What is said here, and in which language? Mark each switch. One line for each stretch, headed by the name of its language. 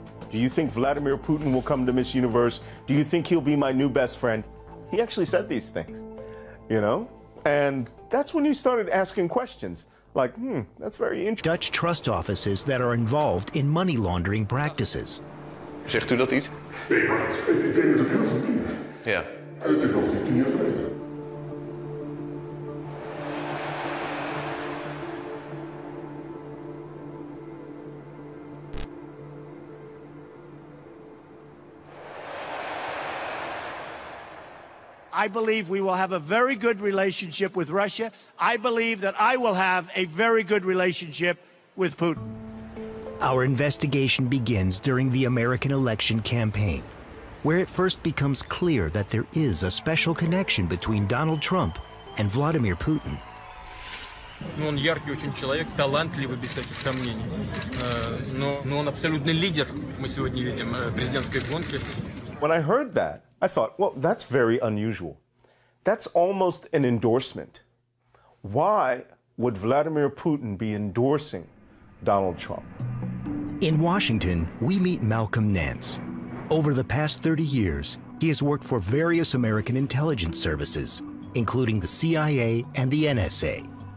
English: Do you think Vladimir Putin will come to Miss Universe? Do you think he'll be my new best friend? He actually said these things, you know? And that's when he started asking questions. Like, that's very interesting. Dutch trust offices that are involved in money laundering practices.
Dutch: Zegt u dat iets? Nee, maar ik denk dat het heel veel dingen. Ja. Uit de hoofd van 10 jaar geleden.
English: I believe we will have a very good relationship with Russia. I believe that I will have a very good relationship with Putin. Our investigation begins during the American election campaign, where it first becomes clear that there is a special connection between Donald Trump and Vladimir Putin.
Russian: Он яркий очень человек, талантливый без всяких сомнений. Но он абсолютный лидер. Мы сегодня видим президентской гонки.
English: When I heard that, I thought, well, that's very unusual. That's almost an endorsement. Why would Vladimir Putin be endorsing Donald Trump? In Washington, we meet Malcolm Nance. Over the past 30 years, he has worked for various American intelligence services, including the CIA and the NSA.